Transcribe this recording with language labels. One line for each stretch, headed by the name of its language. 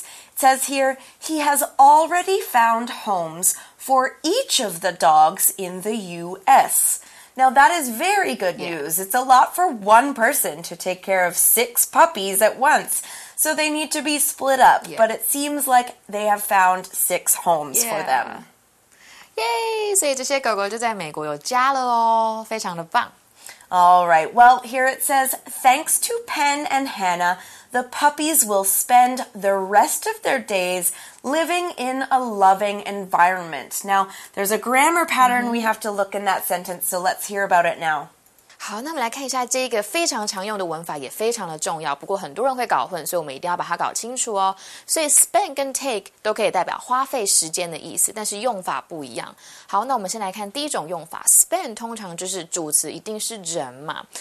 English: It says here, he has already found homes for each of the dogs in the U.S., Now, that is very good news. It's a lot for one person to take care of six puppies at once. So they need to be split up. Yeah. But it seems like they have found six homes for them. Yay!
Chinese: 所以这些狗狗就在美国有家了哦。非常的棒。
English: All right. Well, here it says, thanks to Penn and Hannah, the puppies will spend the rest of their days living in a loving environment. Now, there's a grammar pattern we have to look in that sentence, so let's hear about it now.
Chinese: 好，那我们来看一下这个非常常用的文法，也非常的重要。不过很多人会搞混，所以我们一定要把它搞清楚哦。所以 spend 跟 take 都可以代表花费时间的意思，但是用法不一样。好，那我们先来看第一种用法 ，spend 通常就是主词，一定是人嘛。